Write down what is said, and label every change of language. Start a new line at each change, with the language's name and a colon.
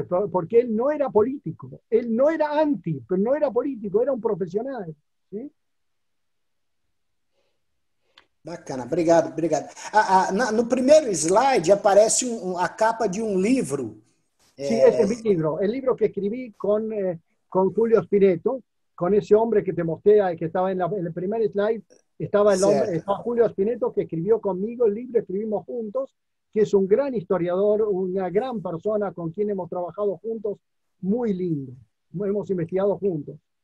Spanish: Porque él no era político, él no era anti, pero no era político, era un profesional, ¿sí?
Portuguese: Bacana, obrigado. No primeiro slide aparece a capa de um livro.
Spanish: Sí, ese es mi libro, el libro que escribí con Julio Spinetto, con ese hombre que te mostré, que estaba en el primer slide, estaba Julio Spinetto, que escribió conmigo el libro, escribimos juntos, que es un gran historiador, una gran persona con quien hemos trabajado juntos, muy lindo, hemos investigado juntos.